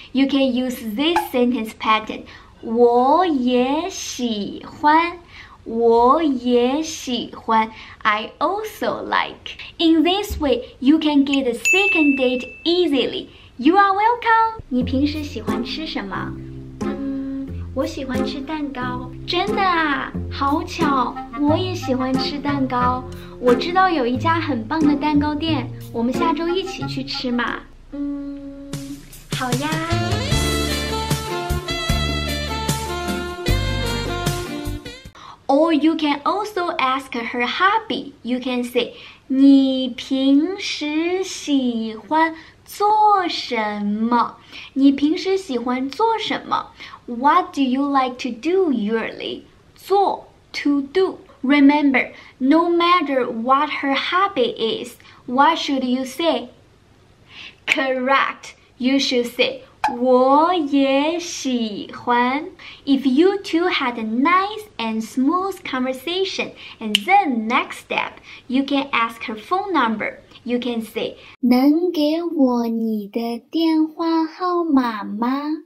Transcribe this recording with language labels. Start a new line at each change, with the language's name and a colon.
English: You can use this sentence pattern.
Chinese: 我也喜欢, 我也喜欢,
English: I also like. In this way, you can get a second date easily. You are welcome.
Chinese: 你平时喜欢吃什么? 我喜欢吃蛋糕，真的啊，好巧，我也喜欢吃蛋糕。我知道有一家很棒的蛋糕店，我们下周一起去吃嘛。嗯，好呀。
English: Or you can also ask her hobby. You can say,
Chinese: 你平时喜欢做什么？你平时喜欢做什么？
English: What do you like to do usually? 做 to do. Remember, no matter what her hobby is, what should you say? Correct. You should say,
Chinese: 我也喜欢。
English: If you two had a nice and smooth conversation, and then next step, you can ask her phone number. You can say,
Chinese: 能给我你的电话号码吗？